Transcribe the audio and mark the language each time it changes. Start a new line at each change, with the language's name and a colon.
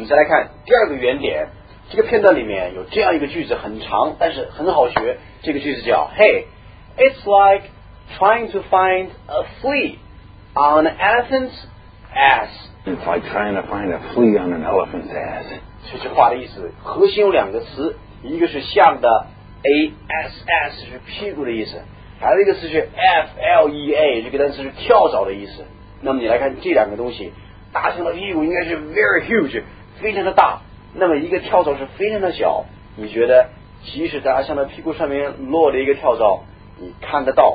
Chinese: 你再来看第二个原点，这个片段里面有这样一个句子，很长，但是很好学。这个句子叫
English: Hey, it's like trying to find a flea on an elephant's ass. It's like trying to find a flea on an elephant's ass.
Chinese: 这句话的意思核心有两个词，一个是象的 ASS 是屁股的意思，还有一个词是 FLEA， 这个单词是跳蚤的意思。那么你来看这两个东西，大象的屁股应该是
English: very huge，
Chinese: 非常的大，那么一个跳蚤是非常的小。你觉得即使大象的屁股上面落了一个跳蚤，你看得到